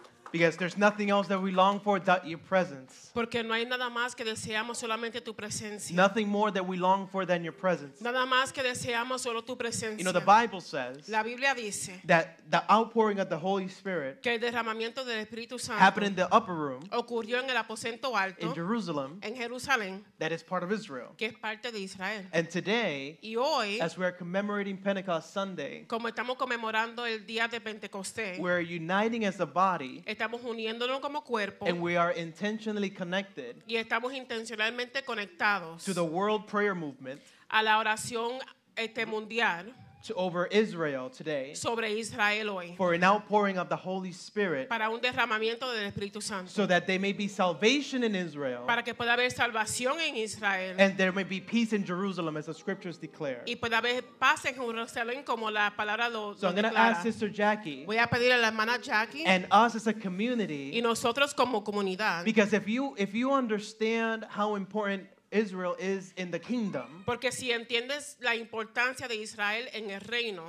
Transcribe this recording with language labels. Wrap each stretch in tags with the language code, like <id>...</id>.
<en>Because there's nothing else that we long for but your presence.</en> <es>Porque no hay nada más que deseamos, solamente tu presencia.</es> <en>Nothing more that we long for than your presence.</en> <es>Nada más que deseamos, solo tu presencia.</es> <en>You know, the Bible says</en> <es>la Biblia dice</es> <en>that the outpouring of the Holy Spirit</en> <es>que el derramamiento del Espíritu Santo</es> <en>happened in the upper room,</en> <es>ocurrió en el aposento alto,</es> <en>in Jerusalem,</en> <es>en Jerusalén,</es> <en>that is part of Israel.</en> <es>Que es parte de Israel.</es> <en>And today,</en> <es>y hoy,</es> <en>as we are commemorating Pentecost Sunday,</en> <es>como estamos conmemorando el día de Pentecostés,</es> <en>we are uniting as a body.</en> <es>Estamos uniéndonos como cuerpo.</es> <en>And we are intentionally connected.</en> <es>Y estamos intencionalmente conectados.</es> <en>To the world prayer movement.</en> <es>A la oración mundial.</es> <en>To over Israel today.</en> <es>Sobre Israel hoy.</es> <en>For an outpouring of the Holy Spirit.</en> <es>Para un derramamiento del Espíritu Santo.</es> <en>So that there may be salvation in Israel.</en> <es>Para que pueda haber salvación en Israel.</es> <en>And there may be peace in Jerusalem as the scriptures declare.</en> <es>Y pueda haber paz en Jerusalén como la palabra lo declara.</es> <en>So I'm going to ask Sister Jackie.</en> <es>Voy a pedir a la hermana Jackie.</es> <en>And us as a community.</en> <es>Y nosotros como comunidad.</es> <en>Because if you understand how important Israel is in the kingdom.</en> <es>Porque si entiendes la importancia de Israel en el reino.</es>